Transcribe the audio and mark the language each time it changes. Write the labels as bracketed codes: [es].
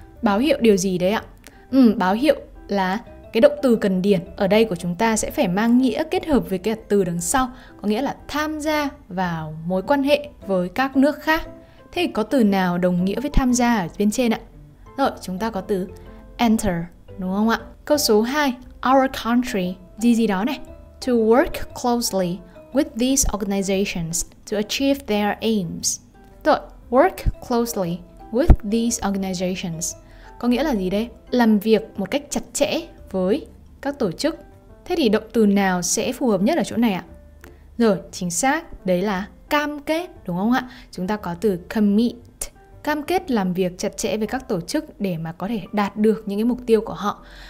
[vi] Báo hiệu điều gì đấy ạ? Báo hiệu là cái động từ cần điển ở đây của chúng ta sẽ phải mang nghĩa kết hợp với cái từ đằng sau, có nghĩa là tham gia vào mối quan hệ với các nước khác. Thế có từ nào đồng nghĩa với tham gia ở bên trên ạ? Rồi, chúng ta có từ enter, đúng không ạ? Câu số 2, [en] our country, [vi] gì gì đó này. [en] To work closely with these organizations to achieve their aims. [vi] Rồi, [en] work closely with these organizations [vi] có nghĩa là gì đây? Làm việc một cách chặt chẽ với các tổ chức. Thế thì động từ nào sẽ phù hợp nhất ở chỗ này ạ? Rồi, chính xác, đấy là cam kết, đúng không ạ? Chúng ta có từ commit, cam kết làm việc chặt chẽ với các tổ chức để mà có thể đạt được những cái mục tiêu của họ.